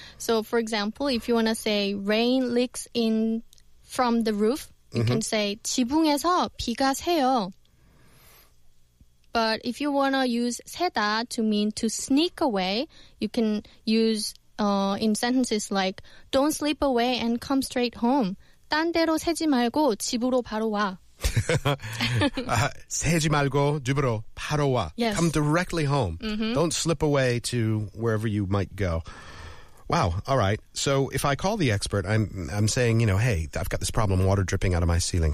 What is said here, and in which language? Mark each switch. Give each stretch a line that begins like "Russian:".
English: So, for example, if you want to say rain leaks in from the roof, you mm-hmm. can say
Korean: 지붕에서 비가 새요.
English: But if you want to use 새다 to mean to sneak away, you can use in sentences like don't sleep away and come straight home.
Korean: 딴 데로 새지 말고 집으로 바로 와. 새지 말고 집으로 바로 와.
English: Yes. Come directly home. Mm-hmm. Don't slip away to wherever you might go. Wow. All right. So if I call the expert, I'm saying, you know, hey, I've got this problem, water dripping out of my ceiling.